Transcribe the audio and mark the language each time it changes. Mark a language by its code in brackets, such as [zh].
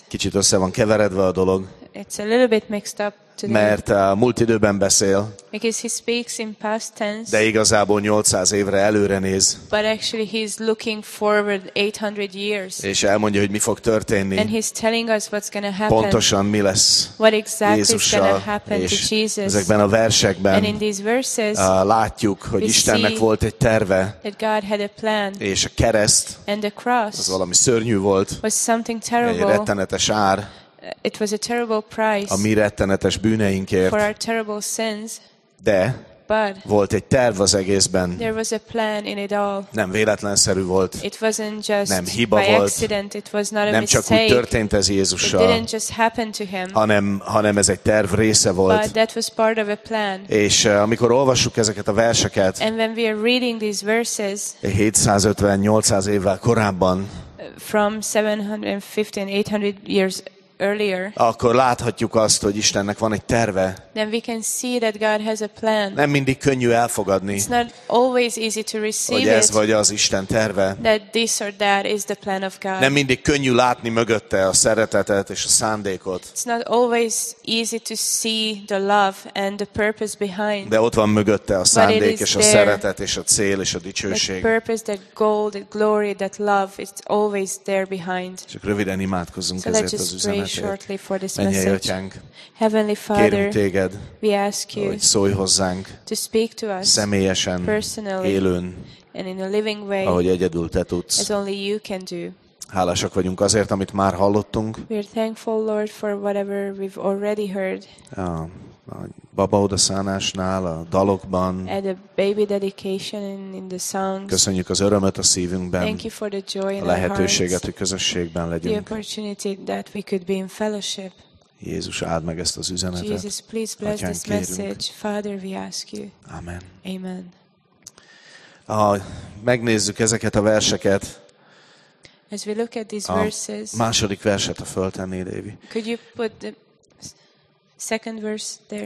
[hu] Kicsit össze van keveredve a dolog. [en] It's a little bit mixed up today. [hu] Mert múlt időben beszél. [en] Because he speaks in past tense. [hu] De igazából 800 évre előre néz. [en] But actually he's looking forward 800 years. [hu] És elmondja, hogy mi fog történni. [en] And he's telling us what's going to happen. [hu] Pontosan mi lesz. [en] What exactly Jézussal, is going to happen to Jesus. [hu] Ezekben a versekben. [en] And in these verses. [hu] Látjuk, hogy Istennek volt egy terve. [en] That God had a plan. [hu] És a kereszt. [en] And the cross. [hu] Az valami szörnyű volt. [en] Was something terrible. [hu] Egy rettenetes ár. [en] It was a terrible price. [hu] A mi rettenetes bűneinkért. [en] For our terrible sins. [hu] De [en] but [hu] volt egy terv az egészben. [en] There was a plan in it all. [hu] Nem véletlenszerű volt. [en] It wasn't just [hu] nem hiba [en] by [hu] volt. [en] Accident. It was not a [hu] nem [en] mistake. [hu] Csak úgy történt ez Jézussal. [en] It didn't just happen to him. [hu] Hanem ez egy terv része volt. [en] But that was part of a plan. [hu] És amikor olvassuk ezeket a verseket. [en] And when we are reading these verses. [hu] 750-800 évvel korábban. [en] From 750-800 years earlier, [hu] akkor láthatjuk azt, hogy Istennek van egy terve. [en] Then we can see that God has a plan. [hu] Nem mindig könnyű elfogadni. [en] It's not always easy to receive. [hu] Hogy ez vagy az Isten terve. [en] That this or that is the plan of God. [hu] Nem mindig könnyű látni mögötte a szeretetet és a szándékot. [en] It's not always easy to see the love and the purpose behind. [hu] De ott van mögötte a szándék és a szeretet és a cél és a dicsőség. [en] The purpose, that goal, that glory, that love, it's always there behind. [hu] Csak röviden imádkozzunk ezért az üzenetért. [en] Shortly for this message. [hu] Mennyei Atyánk, [en] Heavenly Father, [hu] kérünk téged, [en] we ask you, [hu] hogy szólj hozzánk, [en] to speak to us, [hu] személyesen, [en] personally, [hu] élőn, [en] and in a living way, [hu] ahogy egyedül te tudsz. [en] As only you can do. [hu] Hálásak vagyunk azért, amit már hallottunk. [en] We are thankful, Lord, for whatever we've already heard. [hu] A baba odaszánásnál, a dalokban. [en] At the baby dedication in the songs. [hu] Köszönjük az örömet a szívünkben. [en] Thank you for the joy in [hu] a lehetőséget, hogy közösségben legyünk. [en] The opportunity that we could be in fellowship. [hu] Jézus, áld meg ezt az üzenetet. [en] Jesus, please bless this message. Father, we ask you. [hu] Amen. [en] Amen. [hu] Ha megnézzük ezeket a verseket. [en] As we look at these verses. [hu] A második verset a föltennéd, Évi. [en] Could you put the second verse there?